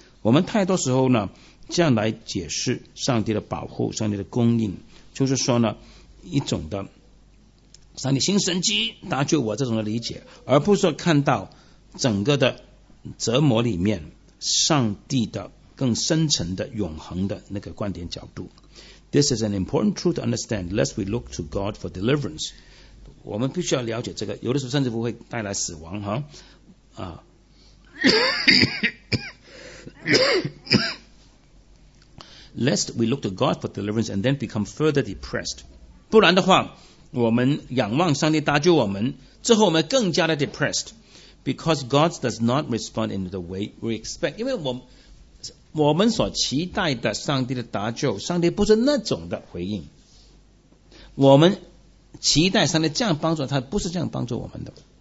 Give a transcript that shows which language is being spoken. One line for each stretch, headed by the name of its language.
Chinese: 我们太多时候呢这样来解释上帝的保护，上帝的供应，就是说呢一种的上帝行神迹搭救我这种的理解，而不是说看到整个的折磨里面上帝的更深层的永恒的那个观点角度。
English: This is an important truth to understand lest we look to God for deliverance。
Chinese: 我们必须要了解这个，有的时候甚至不会带来死亡哈、啊、 lest we look to God for deliverance and then become further depressed。不然的话我们仰望上帝搭救我们之后，我们更加的 depressed， because God does not respond in the way we expect，因为我们所期待的上帝的搭救，上帝不是那种的回应，我们期待上帝这样帮助他，不是这样帮助我们的。